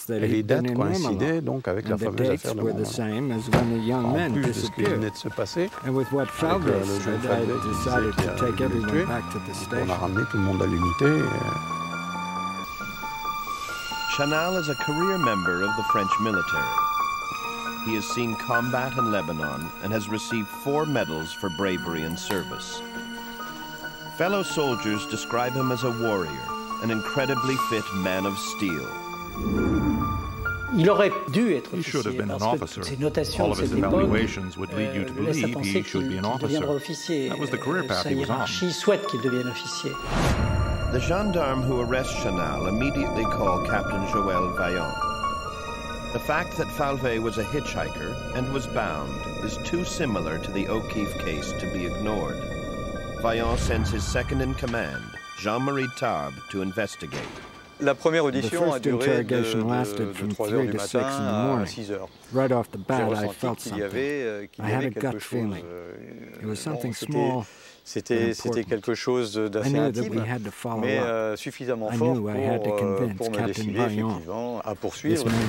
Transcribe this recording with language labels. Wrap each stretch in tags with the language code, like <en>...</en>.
<fr>Et les dates coïncidaient donc avec la fameuse affaire de mon melon.</fr> <en>Were the same as when the young men disappeared. And with what Falvey said, I decided to take everyone back to the station.</en> <fr>On a ramené tout le monde à l'unité.</fr> <en>Chanel is a career member of the French military. He has seen combat in Lebanon and has received 4 medals for bravery and service. Fellow soldiers describe him as a warrior, an incredibly fit man of steel.</en> <fr>Il aurait dû être</fr> <en>he should have been an officer. All of his evaluations would lead you to believe he should be an officer. That was the career path he was on.</en> <fr>Il souhaite qu'il devienne officier.</fr> <en>The gendarmes who arrest Chanel immediately call Captain Joël Vaillant. The fact that Falvey was a hitchhiker and was bound is too similar to the O'Keefe case to be ignored. Vaillant sends his second in command, Jean-Marie Tarbes, to investigate.</en> <fr>La première audition a duré de 3h du matin à 6h.</fr> <en>Right off the bat, I felt something. I had a gut feeling. It was something small.</en> <fr>C'était quelque chose d'assez intime, mais suffisamment fort pour me décider effectivement à poursuivre.</fr>